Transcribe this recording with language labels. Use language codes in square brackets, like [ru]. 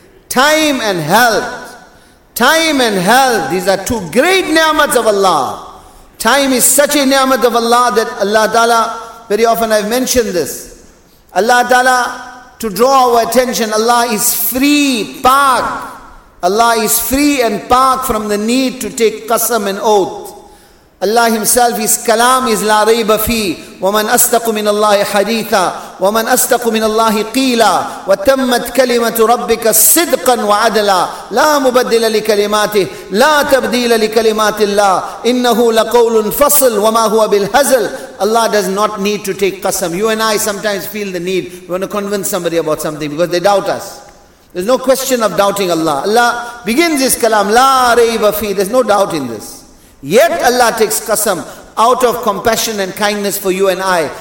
[en] Time and health. Time and health, these are two great ni'mats of Allah. Time is such a ni'mat of Allah that Allah Ta'ala, very often I've mentioned this, Allah Ta'ala, to draw our attention, Allah is free, park. Allah is free and park from the need to take qasam and oath. Allah Himself, His kalam is la rayba fi, [ar] وَمَنْ أَسْتَقُ مِنَ اللَّهِ حَدِيثًا وَمَنْ أَسْتَقُ مِنَ اللَّهِ قِيلًا وَتَمَّتْ كَلِمَةُ رَبِّكَ صِدْقًا وَعَدْلًا لَا مُبَدِّلَ لِكَلِمَاتِهِ لَا تَبْدِيلَ لِكَلِمَاتِ اللَّهِ إِنَّهُ لَقَوْلٌ فَصْلٌ وَمَا هُوَ بِالْهَزْلِ. [en] Allah does not need to take qasam. You and I sometimes feel the need, we want to convince somebody about something because they doubt us. There's no question of doubting Allah. Allah begins His kalam, la rayba fi, there's no doubt in this. Yet Allah takes qasam out of compassion and kindness for you and I.